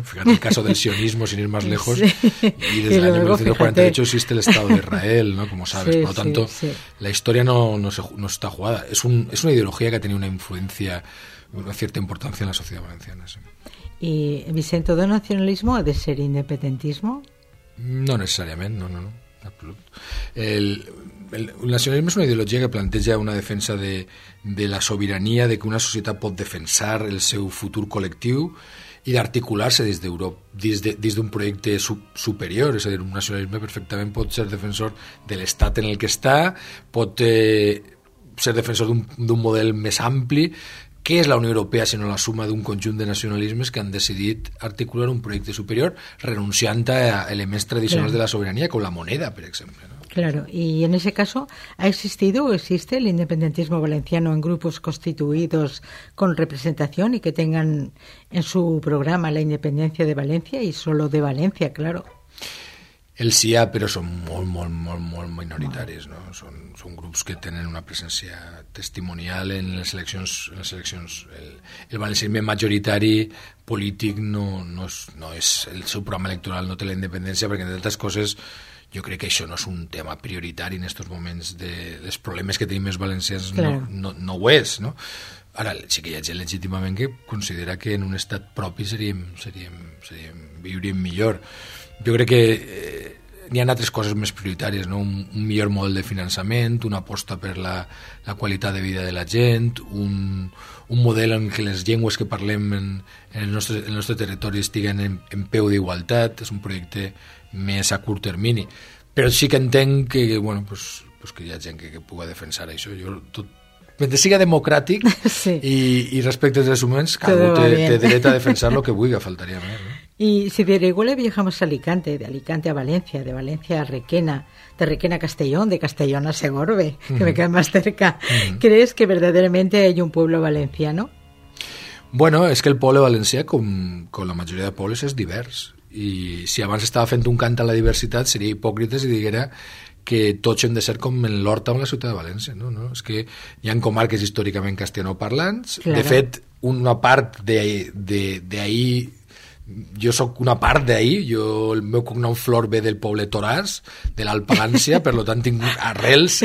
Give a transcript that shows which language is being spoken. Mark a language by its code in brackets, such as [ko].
[es] Fíjate el caso del sionismo, sin ir más lejos. Sí. Y desde el año 1948 existe el Estado de Israel, ¿no? Como sabes. Sí, por lo tanto, sí. La historia no está jugada. Es una ideología que ha tenido una influencia, una cierta importancia en la sociedad valenciana. Sí. ¿Y Vicente, todo nacionalismo ha de ser independentismo? No necesariamente, no. El nacionalismo es una ideología que planteja una defensa de la soberanía, de que una sociedad [ca] pot defensar el seu futur col·lectiu i d'articular-se des d'un projecte superior. És a dir, un nacionalisme perfectament pot ser defensor de l'estat en el que està, pot ser defensor d'un model més ampli. Què és la Unió Europea sinó la suma d'un conjunt de nacionalismes que han decidit articular un projecte superior renunciant a elements tradicionals, claro, de la sobirania, com la moneda, per exemple, ¿no? [es] Claro, y en ese caso, ¿ha existido o existe el independentismo valenciano en grupos constituidos con representación y que tengan en su programa la independencia de Valencia y solo de Valencia, claro? [ca] El sí, però són molt, molt, molt, molt minoritaris, no? Són grups que tenen una presència testimonial en les eleccions. El valencianisme majoritari polític no és el seu programa electoral, no té la independència, perquè, entre altres coses, jo crec que això no és un tema prioritari en aquests moments dels problemes que tenim els valencians. No ho és, no? Ara, sí que hi ha gent legítimament que considera que en un estat propi seríem viuríem millor. Jo crec que hi ha altres coses més prioritàries, no? Un millor model de finançament, una aposta per la qualitat de vida de la gent, un model en què les llengües que parlem en el nostre territori estiguen en peu d'igualtat. És un projecte més a curt termini. Però sí que entenc que, bueno, pues que hi ha gent que pugui defensar això. Jo tot mentre siga democràtic, sí, i respecte als drets humans, cada un té dret a defensar el que vulgui, faltaria més. [es] Y si de Reguera viajamos a Alicante, de Alicante a Valencia, de Valencia a Requena, de Requena a Castellón, de Castellón a Segorbe, uh-huh, que me queda más cerca, uh-huh, ¿crees que verdaderamente hay un pueblo valenciano? Bueno, es que el pueblo valencià, con la mayoría de pueblos, es divers. [ca] Y si abans estava fent un cant a la diversitat, seria hipòcrita si diguera que tots hem de ser com en l'Horta o en la ciutat de València, no? No? És que hi ha comarques històricament castellanoparlants. Claro. De fet, una part d'ahir, jo sóc una part d'ahir, el meu cognom Flor ve del poble Toràs, de l'Alt Palància, per tant tinc arrels.